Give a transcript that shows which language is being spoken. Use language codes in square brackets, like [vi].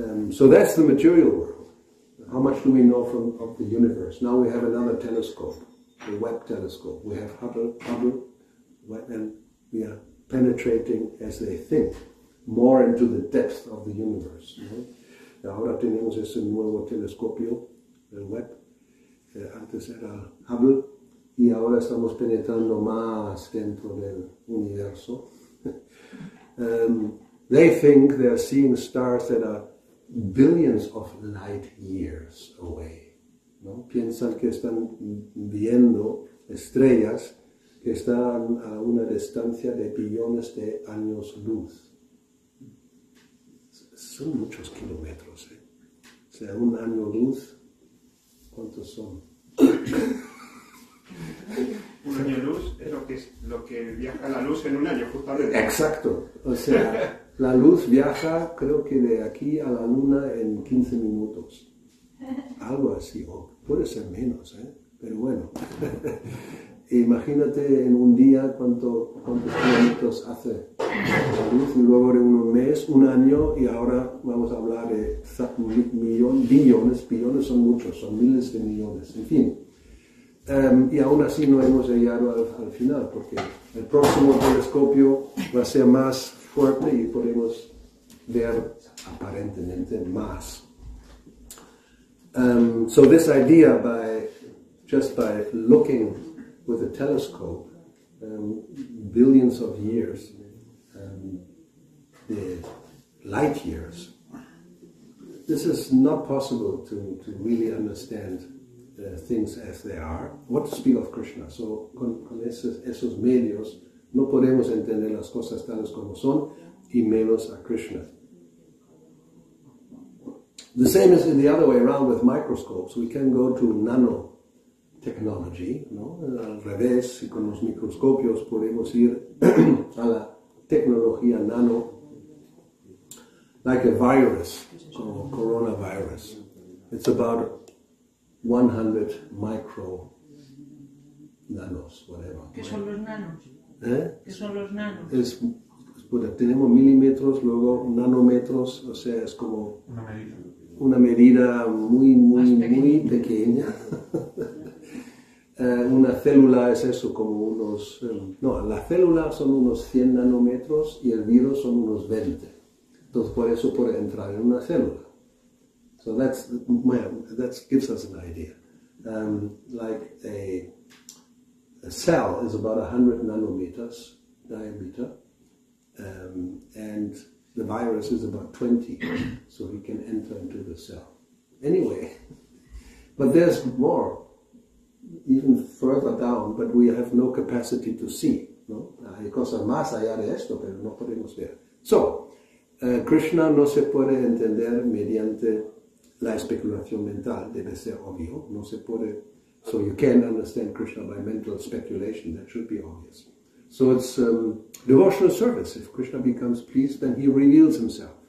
[en] So that's the material world. How much do we know of the universe? Now we have another telescope, the Webb telescope. We have Hubble, and we are penetrating, as they think, more into the depth of the universe. [es] Mm-hmm. Ahora tenemos ese nuevo telescopio, el Webb. Antes era Hubble, y ahora estamos penetrando más dentro del universo. [en] They think they are seeing stars that are billions of light years away. [es] ¿No? Piensan que están viendo estrellas que están a una distancia de billones de años luz. Son muchos kilómetros, ¿eh? O sea, un año luz, ¿cuántos son? Un año luz es lo que viaja la luz en un año, justamente. Exacto. O sea, la luz viaja, creo que de aquí a la luna en 15 minutos. Algo así, o puede ser menos, ¿eh? Pero bueno. Imagínate en un día cuántos kilómetros hace la luz, y luego de un mes, un año, y ahora vamos a hablar de billones son muchos, son miles de millones, en fin. Y aún así no hemos llegado al final, porque el próximo telescopio va a ser más fuerte y podemos ver aparentemente más. [en] So this idea, by looking with a telescope, billions of years, the light years, this is not possible to really understand things as they are. What to speak of Krishna? [es] So con esos medios no podemos entender las cosas tales como son, y menos a Krishna. [en] The same is in the other way around with microscopes. We can go to nano technology, ¿no? [es] Al revés, si con los microscopios podemos ir a la tecnología nano, [en] like a virus, [es] como coronavirus. [en] It's about 100 micro nanos, whatever. [es] ¿Qué son los nanos? ¿Eh? ¿Qué son los nanos? Tenemos milímetros, luego nanómetros, o sea, es como una medida muy, muy, muy pequeña. Una célula es eso, como unos... No, la célula son unos 100 nanómetros y el virus son unos 20. Entonces, por eso puede entrar en una célula. [en] So that's, well, that gives us an idea. Like a cell is about 100 nanometers diameter. And the virus is about 20, so he can enter into the cell. Anyway, but there's more, even further down, but we have no capacity to see. [es] No, hay cosas más allá de esto, pero no podemos ver. So, Krishna no se puede entender mediante la especulación mental, debe ser obvio. No se puede. [en] So you can't understand Krishna by mental speculation, that should be obvious. So it's devotional service. If Krishna becomes pleased, then he reveals himself.